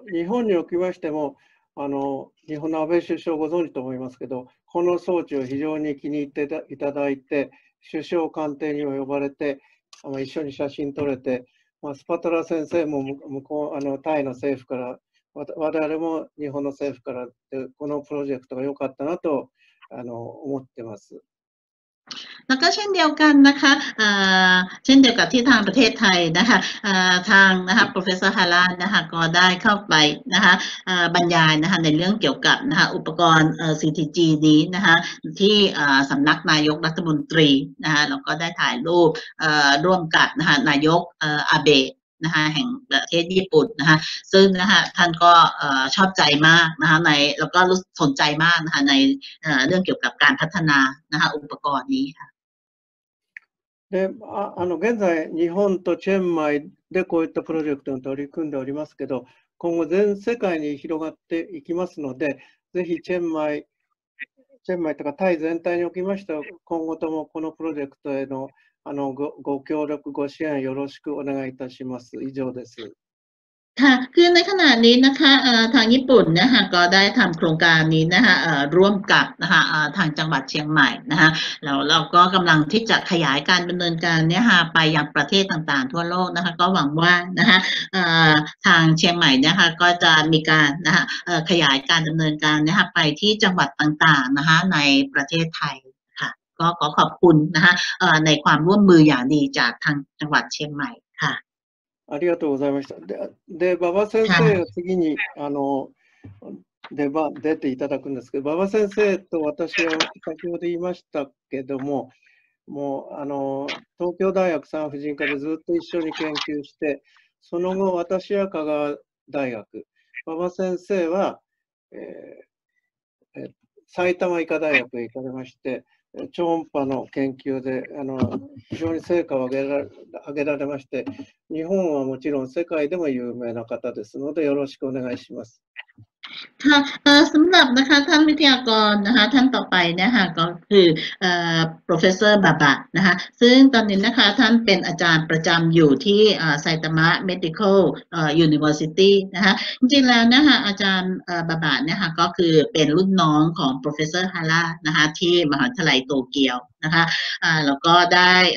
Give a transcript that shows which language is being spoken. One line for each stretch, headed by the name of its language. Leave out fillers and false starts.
Thai: ากประเทศไทยนะคะ。
Japanese: で、日本におきましても、日本の安倍首相ご存知と思いますけど、この装置を非常に気に入っていただいて、首相官邸にも呼ばれて、一緒に写真撮れて、スパトラ先生も向こう、タイの政府から、我々も日本の政府からで、このプロジェクトが良かったなと、思ってます。
Thai: แล้วก็เช่นเดียวกันนะคะเช่นเดียวกับที่ทางประเทศไทยนะคะทางนะคะ professor Haran นะคะก็ได้เข้าไปนะคะบรรยายนะคะในเรื่องเกี่ยวกับนะคะอุปกรณ์CTG นี้นะคะที่สำนักนายกรัฐมนตรีนะคะแล้วก็ได้ถ่ายรูป ร่วมกับนะคะนายกอาเบะนะคะแห่งประเทศญี่ปุ่นนะคะซึ่งนะคะท่านก็ชอบใจมากนะคะในแล้วก็รู้สนใจมากนะคะในเรื่องเกี่ยวกับการพัฒนานะคะอุปกรณ์นี้ค่ะ
Japanese: で、現在日本とチェンマイでこういったプロジェクトに取り組んでおりますけど、今後全世界に広がっていきますので、ぜひチェンマイとかタイ全体におきましては、今後ともこのプロジェクトへの、ご協力、ご支援よろしくお願いいたします。以上です。
Thai: ค่ะคือในขณะนี้นะคะทางญี่ปุ่นนะคะก็ได้ทำโครงการนี้นะคะร่วมกับนะคะทางจังหวัดเชียงใหม่นะคะแล้วเราก็กำลังที่จะขยายการดำเนินการเนี่ยค่ะไปยังประเทศต่างๆทั่วโลกนะคะก็หวังว่านะคะทางเชียงใหม่นะคะก็จะมีการนะคะขยายการดำเนินการนะคะไปที่จังหวัดต่างๆนะคะในประเทศไทยค่ะก็ขอขอบคุณนะคะในความร่วมมืออย่างดีจากทางจังหวัดเชียงใหม่ค่ะ
Japanese: ありがとうございました。で、馬場先生が次に出ていただくんですけど、馬場先生と私は先ほど言いましたけども、もう東京大学産婦人科でずっと一緒に研究して、その後私は香川大学、馬場先生は、埼玉医科大学へ行かれまして、超音波の研究で非常に成果を上げられまして、日本はもちろん世界でも有名な方ですのでよろしくお願いします。
Thai: ค่ะสำหรับนะคะท่านวิทยากรนะคะท่านต่อไปนะคะก็คือ professor บาบานะคะซึ่งตอนนี้นะคะท่านเป็นอาจารย์ประจำอยู่ที่ไซตามะ medical university นะคะจริงๆแล้วนะคะอาจารย์บาบาเนี่ยค่ะก็คือเป็นรุ่นน้องของ professor ฮารานะคะที่มหาวิทยาลัยโตเกียวนะคะแล้วก็ได้